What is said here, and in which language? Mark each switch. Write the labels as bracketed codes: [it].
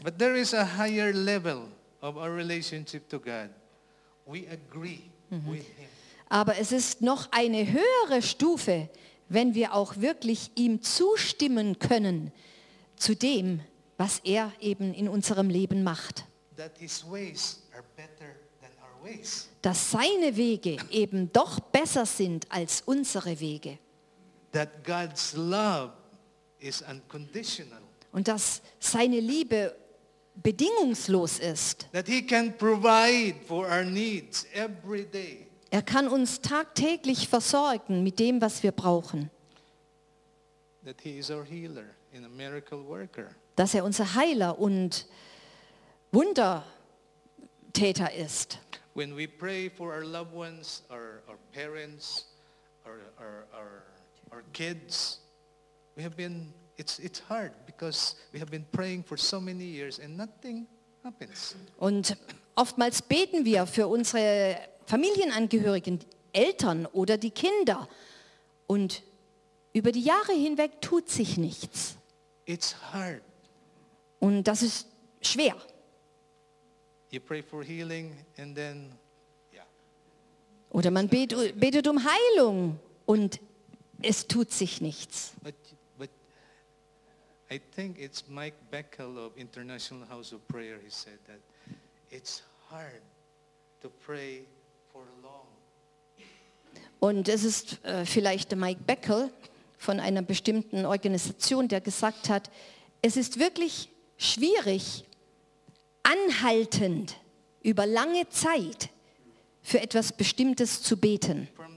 [en] But there is a higher level of our relationship to God. We agree with him. [de] Aber es ist noch eine höhere Stufe, wenn wir auch wirklich ihm zustimmen können zu dem, was er eben in unserem Leben macht. [en] That his ways are better than our ways. [de] Dass seine Wege eben doch besser sind als unsere Wege. [en] That God's love is unconditional. [de] Und dass seine Liebe bedingungslos ist. [en] That he can provide for our needs every day. [de] Er kann uns tagtäglich versorgen mit dem, was wir brauchen. [en] That he is our healer and a miracle worker. [de] Dass er unser Heiler und Wundertäter ist. [en] When we pray for our loved ones, our parents, our kids, we have been, it's hard because we have been praying for so many years and nothing happens. [de] Und oftmals beten wir für unsere Familienangehörigen, Eltern oder die Kinder und über die Jahre hinweg tut sich nichts. [en] It's hard. [de] Und das ist schwer. [en] You pray for healing and then, yeah. [de] Oder man betet um Heilung und es tut sich nichts. [en] But I think it's Mike Beckel of International House of Prayer, he said that it's hard to pray for long. [de] Und es ist vielleicht Mike Beckel von einer bestimmten Organisation, der gesagt hat, es ist wirklich schwierig, anhaltend über lange Zeit für etwas Bestimmtes zu beten.